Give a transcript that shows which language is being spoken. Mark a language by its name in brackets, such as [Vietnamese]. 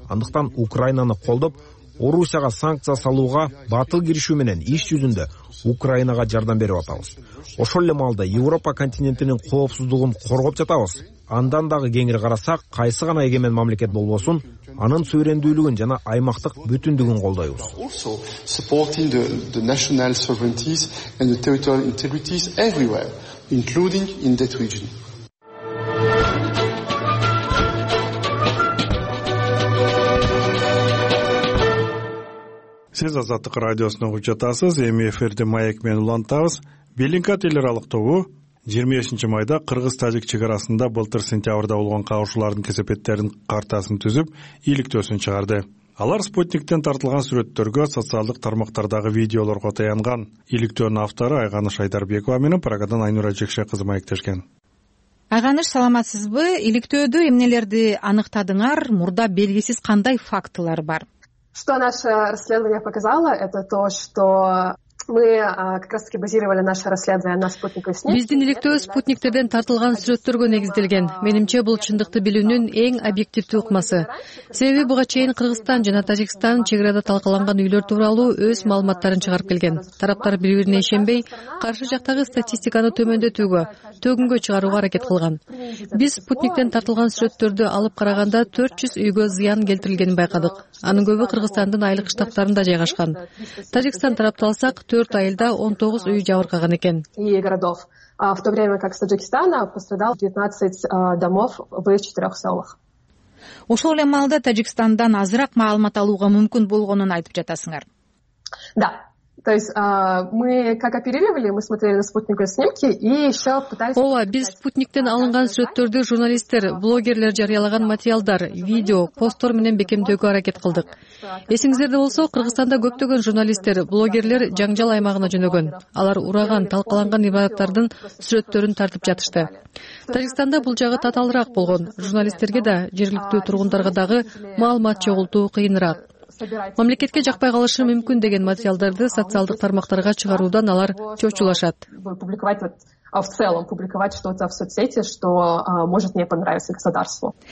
[Kyrgyz] Андыктан Украинаны колдоп, Орусияга санкция салууга батыл киришүү менен иш жүзүндө Украинага жардам берип атабыз. Ошол эле маалда Европа континентинин коопсуздугун коргоп жатабыз. Андан дагы кеңири карасак, кайсы гана эгемен мамлекет болбосун, анын суверендүүлүгүн жана аймактык бүтүндүгүн колдойбуз. [English] Supporting the national sovereignties and the territorial integrities everywhere, including in that region. [Kyrgyz] Сиз Азаттык радиосуна угуп жатасыз, эми эфирде Маек менен улантабыз. Белинкат эл аралык тобу 25 майда кыргыз тажик чек арасында былтыр сентябрда болгон кагышуулардын кесепеттерин картасын түзүп иликтөөсүн чыгарды. Алар спутниктен тартылган сүрөттөргө, социалдык тармактардагы видеолорго таянган. Иликтөөнүн автору Айганыш Айдарбекова менен Прагадан Айнура Жекше кызы маектешкен. Айганыш, саламатсызбы? Иликтөөдө эмнелерди аныктадыңар? Мурда белгисиз кандай фактылар бар? [Russian] Что наше расследование показало, это то, что мы как раз таки базировали наше расследование на спутниковой снимке. [Kyrgyz] Биздин иликтөө спутниктерден тартылган сүрөттөргө негизделген. Менимче бул чындыкты билүүнүн эң объективдүү ыкмасы. Себеби буга чейин Кыргызстан жана Тажикстан чек арада талкаланган үйлөр тууралуу өз маалыматтарын чыгарып келген. Тараптар бири-бирине ишенбей, каршы жактагы статистиканы төмөндөтүүгө, төгүнгө чыгарууга аракет кылган. Биз спутниктен тартылган сүрөттөрдү алып караганда 400 үйгө зыян келтирилгенин байкадык. Анын көбү Кыргызстандын айлык штабтарында жайгашкан. Тажикстан тарапты алсак, 4 айылда 19 үй жабыркаган экен. [Russian] В то время как с Таджикистана пострадал 19 домов в 4 селах. [Kyrgyz] Ошол эле маалда Таджикстандан азыраак маалымат алууга мүмкүн болгонун айтып жатасыңар. [Russian] Да. То есть мы как оперировали, мы смотрели на спутниковые снимки и еще пытались... [Kyrgyz] Ола, биз спутниктен алынган сүрөттөрдү журналисттер, блогерлер жарыялаган материалдар, видео, постор менен бекемдөөгө аракет кылдык. Эсиңиздерде болсо, Кыргызстанда көптөгөн журналисттер, блогерлер жаңжал аймагына жөнөгөн. Алар ураган, талкаланган имараттардын сүрөттөрүн тартып жатышты. Тажикстанда бул жагы татаалыраак болгон. Журналисттерге да, жергиликтүү тургундарга дагы маалымат чогултуу кыйыныраак. Мамлекетке жакпай калышы мүмкүн деген материалдарды социалдык тармактарга чыгаруудан алар чочулашат. [Russian] В целом публиковать что-то в соцсети, что может не понравиться государству.